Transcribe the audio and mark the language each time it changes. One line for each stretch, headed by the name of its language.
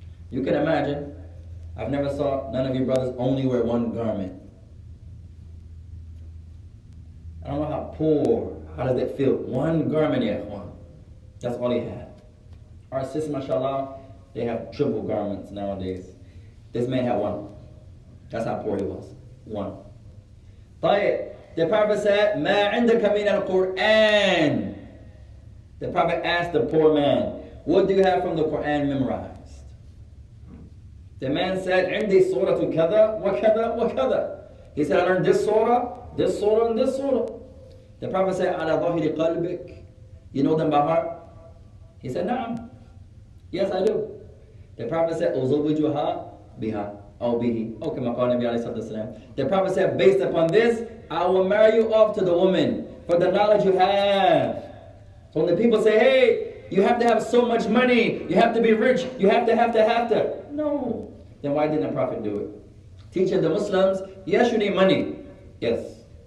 English: You can imagine, I've never saw none of your brothers only wear one garment. I don't know how poor, how does that feel? One garment, ya ikhwan. That's all he had. Our sisters, mashallah, they have triple garments nowadays. This man had one. That's how poor he was. One.
Arabic: طيب,
English: the Prophet said,
Arabic: ما عندك من القرآن?
English: The Prophet asked the poor man, what do you have from the Quran memorized? The man said,
Arabic: عندي سورة كذا وكذا وكذا.
English: He said, I learned this surah, this surah, and this surah. The Prophet said,
Arabic: على ظهر قلبك.
English: You know them by heart? He said, نعم. Yes, I do. The Prophet said,
Arabic: أزوجها بها أو به. كما قال النبي عليه الصلاة والسلام.
English: The Prophet said, based upon this, I will marry you off to the woman for the knowledge you have. So when the people say, hey, you have to have so much money, you have to be rich, you have to have to have to. No. Then why didn't the Prophet do it? Teaching the Muslims, yes, you need money. Yes.